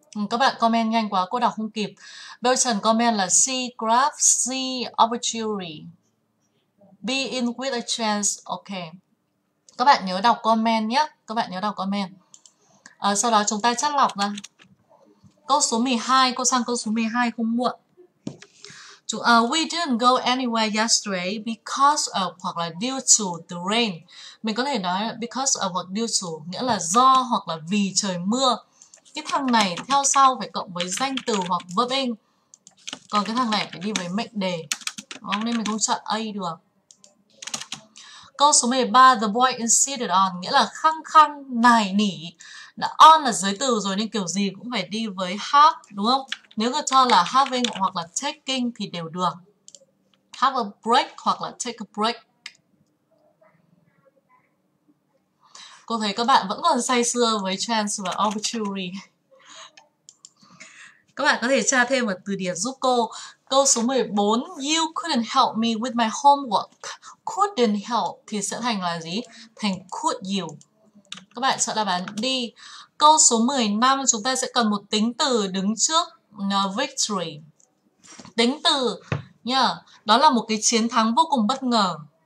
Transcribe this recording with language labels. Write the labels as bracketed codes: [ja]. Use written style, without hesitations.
[vi] Các bạn comment nhanh quá, cô đọc không kịp. Bill Trần comment là [en] see graph, see opportunity. Be in with a chance. [vi] Ok. Các bạn nhớ đọc comment nhé. Các bạn nhớ đọc comment. Sau đó chúng ta chắt lọc ra. Câu số 12, cô sang câu số 12 không muộn. [en] We didn't go anywhere yesterday because of [vi] hoặc là [en] due to the rain. [vi] Mình có thể nói là because of hoặc due to, nghĩa là do hoặc là vì trời mưa. Cái thằng này theo sau phải cộng với danh từ hoặc verb ing. Còn cái thằng này phải đi với mệnh đề. Đúng không? Nên mình không chọn A được. Câu số 13, [en] the boy insisted on, [vi] nghĩa là khăng khăng, nài nỉ. Là on là giới từ rồi nên kiểu gì cũng phải đi với have, đúng không? Nếu người cho là having hoặc là taking thì đều được. [en] Have a break [vi] hoặc là [en] take a break. [vi] Cô thấy các bạn vẫn còn say sưa với chance và opportunity. Các bạn có thể tra thêm một từ điển giúp cô. Câu số 14, [en] you couldn't help me with my homework. [vi] Couldn't help thì sẽ thành là gì? Thành could you. Các bạn chọn đáp án D. Câu số 15, chúng ta sẽ cần một tính từ đứng trước victory. Tính từ nhá, đó là một cái chiến thắng vô cùng bất ngờ.